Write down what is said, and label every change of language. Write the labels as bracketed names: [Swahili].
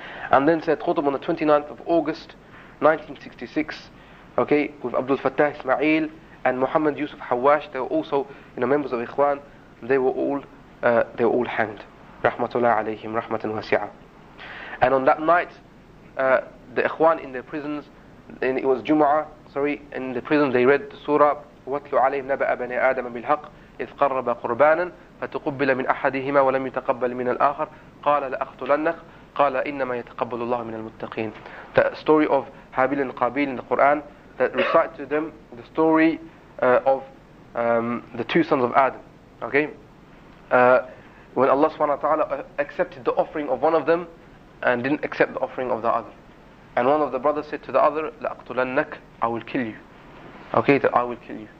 [English] And then Sayyid Qutb on the 29th of August 1966, okay, with Abdul Fattah Ismail and Muhammad Yusuf Hawash, they were also, you know, members of Ikhwan, they were all hanged. [Arabic] Rahmatullah alayhim, rahmatan wasi'ah. [English] And on that night, the Ikhwan in their prisons, and it was Jumu'ah, sorry, in the prison they read the surah, [Arabic] وَاتْلُ عَلَيْهِمْ نَبَأَ بَنِي آدَمَ بِالْحَقِّ إِذْ قَرَّبَ قُرْبَانًا فَتُقُبِّلَ مِنْ أَحَدِهِمَا وَلَمْ يُتَقَبَّلْ مِنَ الْآخَرِ قَالَ لَأَقْتُلَنَّكَ قَالَ إِنَّمَا يَتَقَبَّلُ اللَّهُ مِنَ الْمُتَّقِينَ. [English] The story of Habil and Qabil in the Quran that recite to them the story of the two sons of Adam. Okay? When Allah subhanahu wa ta'ala accepted the offering of one of them and didn't accept the offering of the other. And one of the brothers said to the other, [Arabic] لَأَقْتُلَنَّكَ, [English] I will kill you. Okay, that I will kill you.